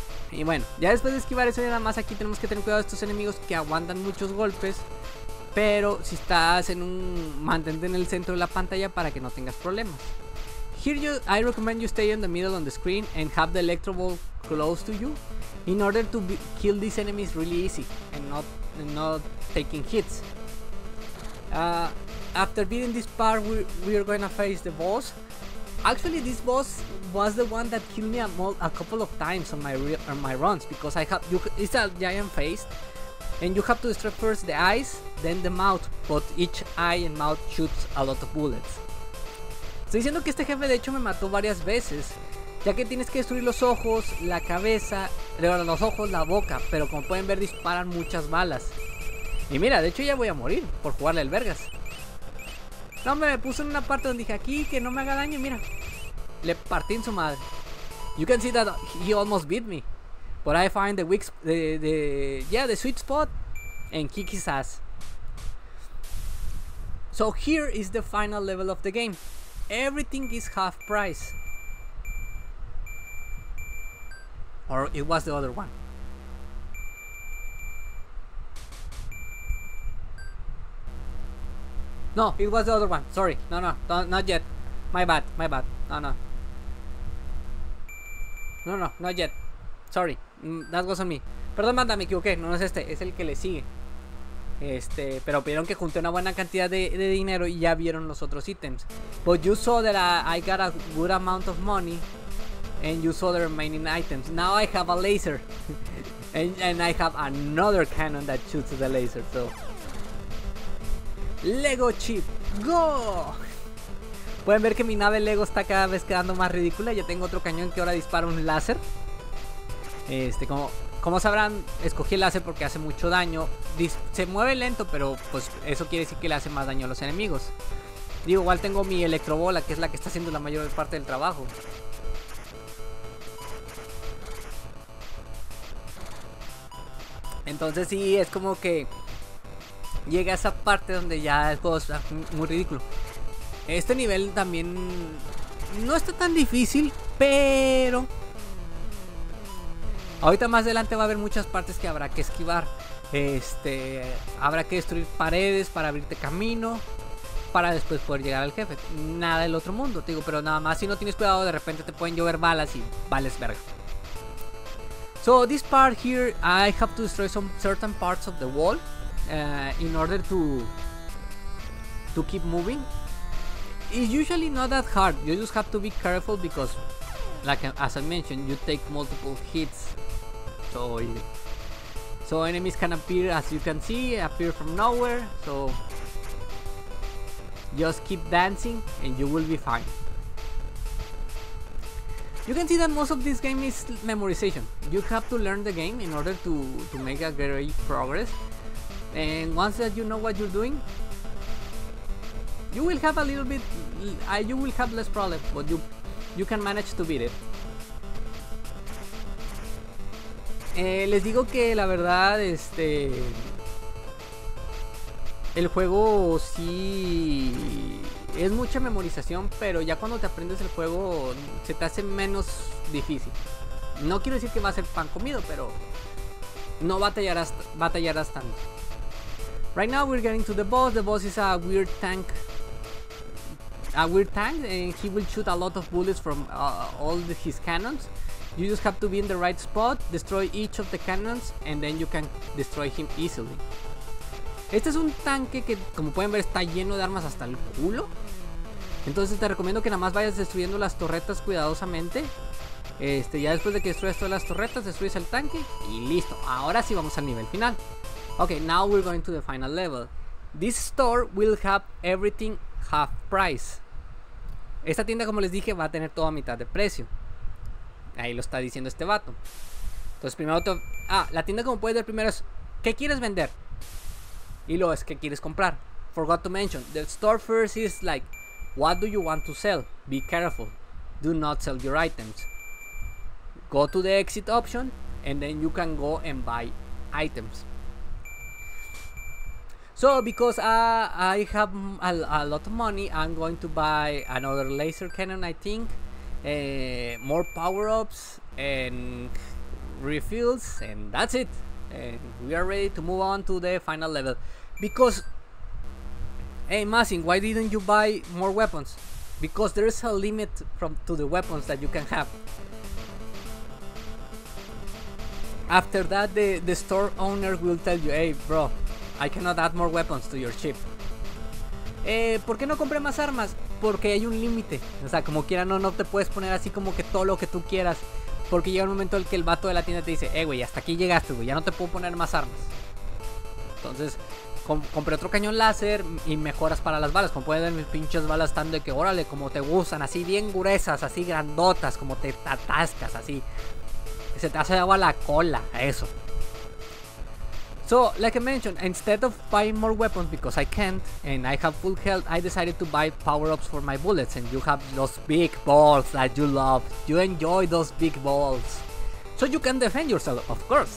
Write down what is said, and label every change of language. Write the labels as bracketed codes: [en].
[es] Y bueno, ya después de esquivar eso, ya nada más aquí tenemos que tener cuidado de estos enemigos que aguantan muchos golpes. Pero si estás en un... mantente en el centro de la pantalla para que no tengas problemas. [en] Here I recommend you stay in the middle on the screen and have the electro ball close to you in order to kill these enemies really easy and not taking hits. After beating this part, we are going to face the boss. Actually, this boss was the one that killed me a couple of times on my runs, because it's a giant face and you have to destroy first the eyes, then the mouth, but each eye and mouth shoots a lot of bullets. [es] Estoy diciendo que este jefe de hecho me mató varias veces, ya que tienes que destruir los ojos, la cabeza, los ojos, la boca, pero como pueden ver disparan muchas balas. Y mira, de hecho ya voy a morir por jugarle al vergas. No, me puso en una parte donde dije aquí que no me haga daño, mira, le partí en su madre. [en] You can see that he almost beat me, but I find the sweet spot and kick his ass. So here is the final level of the game. Everything is half price. Or it was the other one. No, it was the other one. Sorry. No, not yet. My bad. No, not yet. Sorry. That was on me. [es] Perdón, manda, me equivoqué. No, no es este. Es el que le sigue. Este, pero vieron que junté una buena cantidad de dinero y ya vieron los otros ítems. [en] But you saw that I got a good amount of money and you saw the remaining items. Now I have a laser. And I have another cannon that shoots the laser, so... Lego chip, go! [es] Pueden ver que mi nave Lego está cada vez quedando más ridícula. Ya tengo otro cañón que ahora dispara un láser. Este, como sabrán, escogí el láser porque hace mucho daño. Se mueve lento, pero pues eso quiere decir que le hace más daño a los enemigos. Digo, igual tengo mi electrobola, que es la que está haciendo la mayor parte del trabajo. Entonces sí, es como que llega a esa parte donde ya el juego está muy ridículo. Este nivel también no está tan difícil, pero... Ahorita más adelante va a haber muchas partes que habrá que esquivar. Este, habrá que destruir paredes para abrirte camino, para después poder llegar al jefe. Nada del otro mundo, te digo, pero nada más si no tienes cuidado, de repente te pueden llover balas y vales verga. [en] So this part here, I have to destroy some certain parts of the wall in order to keep moving. It's usually not that hard. You just have to be careful because, like as I mentioned, you take multiple hits. So enemies can appear, as you can see, appear from nowhere. So just keep dancing and you will be fine. You can see that most of this game is memorization. You have to learn the game in order to make a great progress. And once that you know what you're doing, you will have a little bit, you will have less problems, but you can manage to beat it. [es] Les digo que la verdad, este, el juego sí es mucha memorización, pero ya cuando te aprendes el juego se te hace menos difícil. No quiero decir que va a ser pan comido, pero no batallarás tanto. [en] Right now we're getting to the boss. The boss is a weird tank. A weird tank, and he will shoot a lot of bullets from his cannons. You just have to be in the right spot, destroy each of the cannons, and then you can destroy him easily. [es] Este es un tanque que, como pueden ver, está lleno de armas hasta el culo. Entonces te recomiendo que nada más vayas destruyendo las torretas cuidadosamente. Este, ya después de que destruyas todas las torretas, destruyes el tanque y listo. Ahora sí vamos al nivel final. [en] Okay, now we're going to the final level. This store will have everything half price. [es] Esta tienda, como les dije, va a tener todo a mitad de precio. Ahí lo está diciendo este vato. Entonces primero la tienda, como puedes ver, primero es ¿qué quieres vender? Y luego es ¿qué quieres comprar? [en] Forgot to mention, the store first is like, what do you want to sell? Be careful, do not sell your items. Go to the exit option and then you can go and buy items. So because I have a lot of money, I'm going to buy another laser cannon, I think, more power-ups and refills, and that's it. And we are ready to move on to the final level. Because, hey Massing, why didn't you buy more weapons? Because there is a limit to the weapons that you can have. After that, the store owner will tell you, hey bro, I cannot add more weapons to your ship. [es] ¿Por qué no compré más armas? Porque hay un límite. O sea, como quiera, no te puedes poner así como que todo lo que tú quieras. Porque llega un momento en el que el vato de la tienda te dice, güey, hasta aquí llegaste, güey, ya no te puedo poner más armas. Entonces, compré otro cañón láser y mejoras para las balas. Como pueden ver, mis pinches balas están de que, órale, como te gustan, así bien gruesas, así grandotas, como te atascas, así. Se te hace agua la cola, eso. [en] So, like I mentioned, instead of buying more weapons because I can't and I have full health, I decided to buy power-ups for my bullets, and you have those big balls that you love. You enjoy those big balls. So you can defend yourself, of course.